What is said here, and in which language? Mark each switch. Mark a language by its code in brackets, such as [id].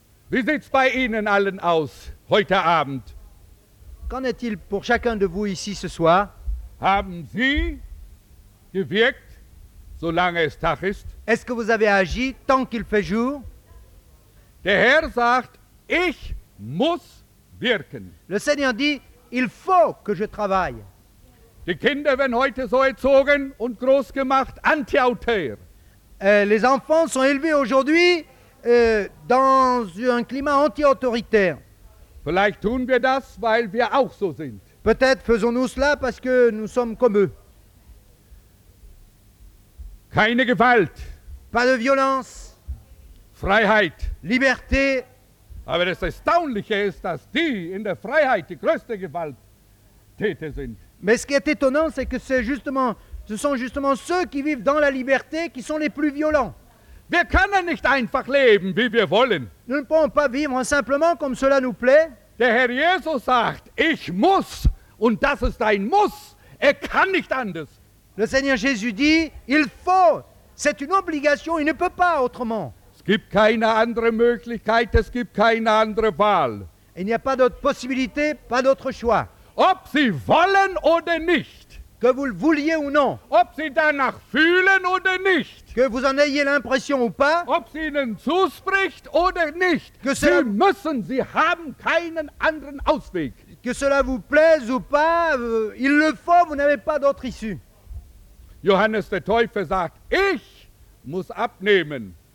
[de] Wie sieht's bei Ihnen allen aus heute Abend? [fr] Qu'en est-il pour chacun de vous ici ce soir? [de] Haben Sie gewirkt, solange es Tag ist? [fr] Est-ce que vous avez agi tant qu'il fait jour? [de] Der Herr sagt, ich muss wirken. [fr] Le Seigneur dit, il faut que je travaille. [de] Die Kinder werden heute so erzogen und groß gemacht, anti-autär. [fr] Les enfants sont élevés aujourd'hui dans un climat anti-autoritaire. [de] Vielleicht tun wir das, weil wir auch so sind. [fr] Peut-être faisons-nous cela parce que nous sommes comme eux. [de] Keine Gewalt. [fr] Pas de violence. [de] Freiheit. [fr] Liberté. [de] Aber das Erstaunliche ist, dass die in der Freiheit die größte Gewalttäter sind. [fr] Mais ce qui est étonnant, c'est que ce sont justement ceux qui vivent dans la liberté qui sont les plus violents. [de] Wir können nicht einfach leben, wie wir wollen. [fr] Nous ne pouvons pas vivre simplement comme cela nous plaît. [de] Der Herr Jesus sagt, ich muss, und das ist ein Muss. Kann nicht anders. [fr] Le Seigneur Jésus dit, il faut, c'est une obligation, il ne peut pas autrement. [de] Es gibt keine andere Möglichkeit, es gibt keine andere Wahl. [fr] Il n'y a pas d'autre possibilité, pas d'autre choix. [de] Ob sie wollen oder nicht. [fr] Que vous le vouliez ou non. [de] Ob sie danach fühlen oder nicht. [fr] Que vous en ayez l'impression ou pas. [de] Ob sie ihnen zuspricht oder nicht. Sie haben keinen anderen Ausweg. [fr] Que cela vous plaise ou pas, il le faut, vous n'avez pas d'autre issue. [de] Johannes der Täufer sagt, ich muss abnehmen.